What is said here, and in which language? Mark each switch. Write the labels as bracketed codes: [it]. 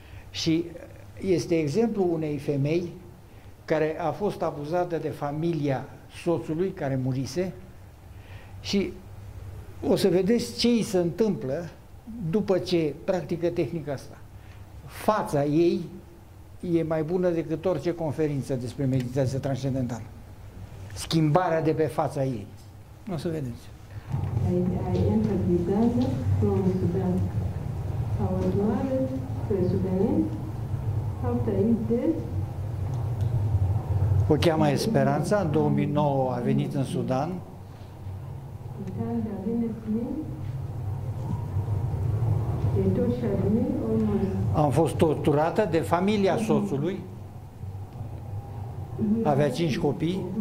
[ro] Și este exemplu unei femei care a fost abuzată de familia soțului care murise și o să vedeți ce îi se întâmplă după ce practică tehnica asta. Fața ei e mai bună decât orice conferință despre meditație transcendentală. Schimbarea de pe fața ei. O să vedeți. [en] I entered the desert from Sudan. I was married to a Sudanese. After his death, [ro] o cheamă Esperanța, în 2009 a venit în Sudan. [en] In time they visited me, they tortured me almost. [ro] Am fost torturată de familia soțului. Avea 5 copii.